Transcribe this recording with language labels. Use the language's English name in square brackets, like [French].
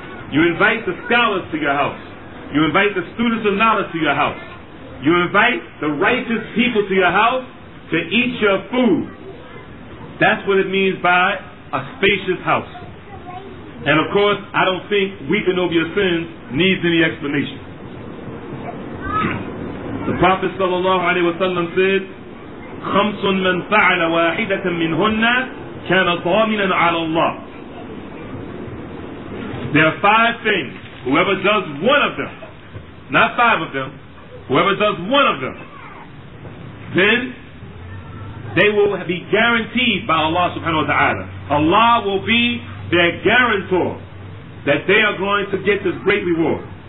[English] You invite the scholars to your house. You invite the students of knowledge to your house. You invite the righteous people to your house to eat your food. That's what it means by a spacious house. And of course, I don't think weeping over your sins needs any explanation. The Prophet sallallahu alaihi wasallam said, [Arabic] خَمْسٌ مَنْ فَعْلَ وَاحِدَةً مِنْهُنَّ كَانَ ضَامِنًا عَلَى اللَّهِ. [English] There are five things. Whoever does one of them, not five of them, whoever does one of them, then they will be guaranteed by Allah subhanahu wa ta'ala. Allah will be their guarantor that they are going to get this great reward.